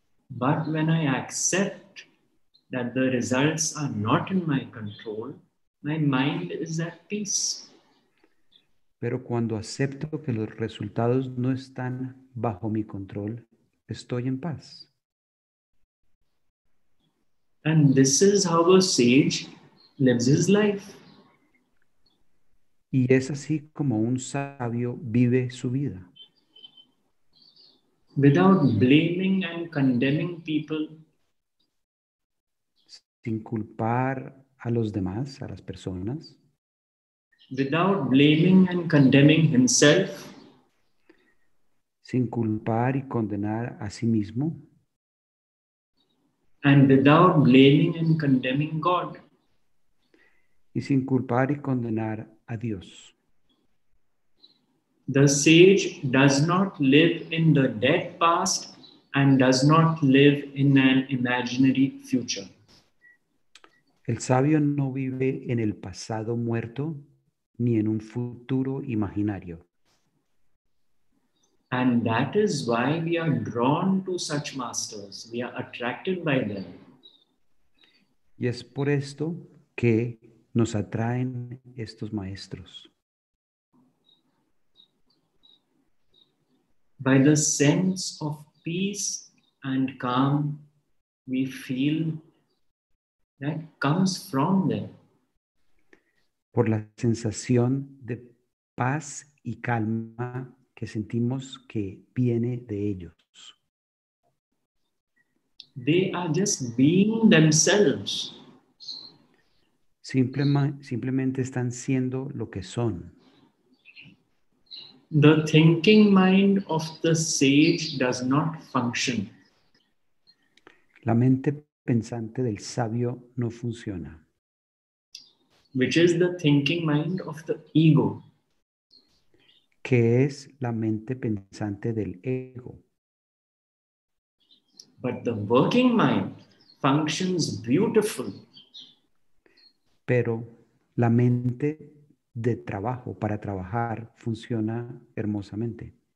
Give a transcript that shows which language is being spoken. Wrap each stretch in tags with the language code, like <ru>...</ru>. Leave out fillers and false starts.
<en>But when I accept that the results are not in my control, my mind is at peace.</en> <es>Pero cuando acepto que los resultados no están bajo mi control, estoy en paz.</es> <en>And this is how a sage lives his life.</en> <es>Y es así como un sabio vive su vida.</es> <en>Without blaming and condemning people.</en> <es>Sin culpar a los demás, a las personas.</es> <en>Without blaming and condemning himself.</en> <es>Sin culpar y condenar a sí mismo.</es> <en>And without blaming and condemning God.</en> <es>Y sin culpar y condenar a Dios.</es> <en>The sage does not live in the dead past and does not live in an imaginary future.</en> <es>El sabio no vive en el pasado muerto ni en un futuro imaginario.</es> <en>And that is why we are drawn to such masters. We are attracted by them.</en> <es>Y es por esto que nos atraen estos maestros.</es> <en>By the sense of peace and calm we feel that comes from them.</en> <es>Por la sensación de paz y calma que sentimos que viene de ellos.</es> <en>They are just being themselves.</en> <es>Simplemente están siendo lo que son.</es> <en>The thinking mind of the sage does not function.</en> <es>La mente pensante del sabio no funciona.</es> <en>Which is the thinking mind of the ego.</en> <es>Que es la mente pensante del ego.</es> <en>But the working mind functions beautifully.</en> <es>Pero la mente de trabajo, para trabajar, funciona hermosamente.</es>